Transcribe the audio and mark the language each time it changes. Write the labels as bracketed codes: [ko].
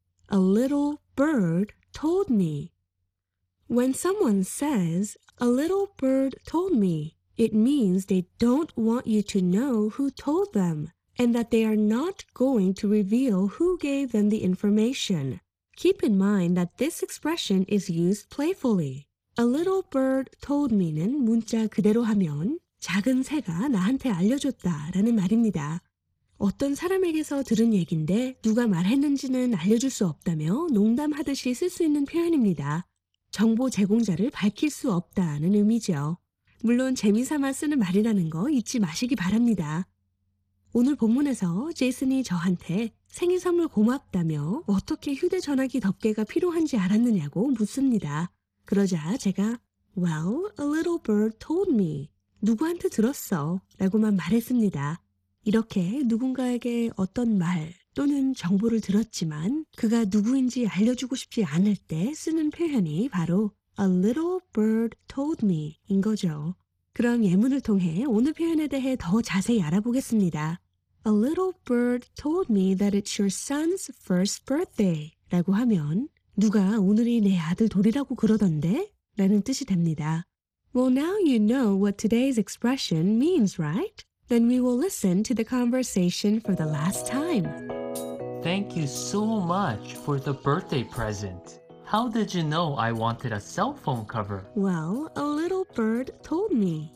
[en] A little bird told me. When someone says, a little bird told me, it means they don't want you to know who told them. And that they are not going to reveal who gave them the information. Keep in mind that this expression is used playfully. [ko] A little bird told me는 문자 그대로 하면 작은 새가 나한테 알려줬다라는 말입니다. 어떤 사람에게서 들은 얘긴데 누가 말했는지는 알려줄 수 없다며 농담하듯이 쓸 수 있는 표현입니다. 정보 제공자를 밝힐 수 없다는 의미죠. 물론 재미삼아 쓰는 말이라는 거 잊지 마시기 바랍니다. 오늘 본문에서 제이슨이 저한테 생일 선물 고맙다며 어떻게 휴대전화기 덮개가 필요한지 알았느냐고 묻습니다. 그러자 제가 [en] Well, a little bird told me. [ko] 누구한테 들었어? 라고만 말했습니다. 이렇게 누군가에게 어떤 말 또는 정보를 들었지만 그가 누구인지 알려주고 싶지 않을 때 쓰는 표현이 바로 [en] A little bird told me [ko] 인 거죠. 그럼 예문을 통해 오늘 표현에 대해 더 자세히 알아보겠습니다. [en] A little bird told me that it's your son's first birthday. [ko] 라고 하면 누가 오늘이 내 아들 돌이라고 그러던데? 라는 뜻이 됩니다. [en] Well, now you know what today's expression means, right? Then we will listen to the conversation for the last time. Thank you so much for the birthday present. How did you know I wanted a cell phone cover? Well, a little bird told me.